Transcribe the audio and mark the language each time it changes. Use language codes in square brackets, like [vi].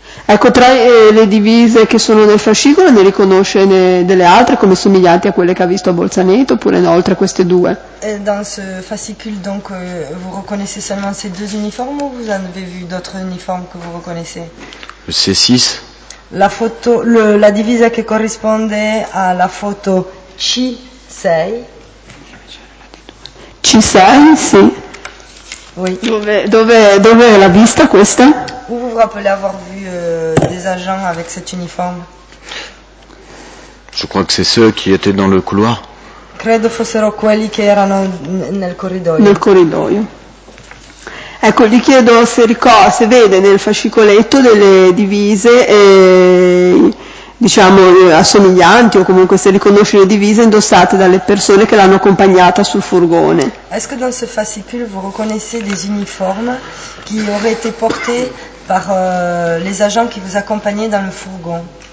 [it] Ecco, tra le divise che sono nel fascicolo, ne riconosce delle altre come somiglianti a quelle che ha visto a Bolzaneto, oppure no, oltre a queste due? [fr] E dans ce fascicule, donc, vous reconnaissez seulement ces deux uniformes ou vous en avez vu d'autres uniformes que vous reconnaissez? C6. La photo, la divise [it] che corrisponde alla foto C6. C6, sì. [fr] Oui. [it] Dove l'ha vista questa? [fr] Vous vous rappelez avoir vu des agents avec cet uniforme? Je crois que c'est ceux qui étaient dans le couloir. [it] Credo fossero quelli che erano nel corridoio. Nel corridoio. Ecco, gli chiedo se ricorda, se vede nel fascicoletto delle divise, diciamo assomiglianti o comunque se riconosce le divise indossate dalle persone che l'hanno accompagnata sul furgone. [fr] Est-ce que dans ce fascicule vous reconnaissez des uniformes qui auraient été portés par les agents qui vous accompagnaient dans le fourgon?